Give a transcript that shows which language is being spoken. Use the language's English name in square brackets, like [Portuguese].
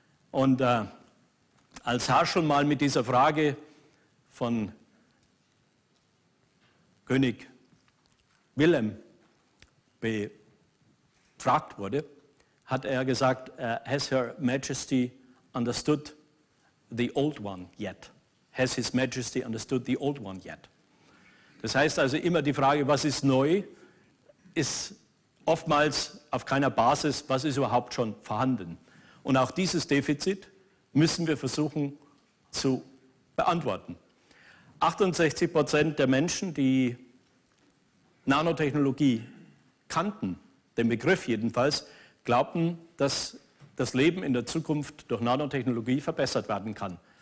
[German] Und als Herr schon mal mit dieser Frage von König Willem befragt wurde, hat er gesagt, [English] has Her Majesty understood the old one yet? Has His Majesty understood the old one yet? [German] Das heißt also immer die Frage, was ist neu, ist oftmals auf keiner Basis, was ist überhaupt schon vorhanden. Und auch dieses Defizit müssen wir versuchen zu beantworten. 68% der Menschen, die Nanotechnologie kannten, den Begriff jedenfalls, glaubten, dass das Leben in der Zukunft durch Nanotechnologie verbessert werden kann.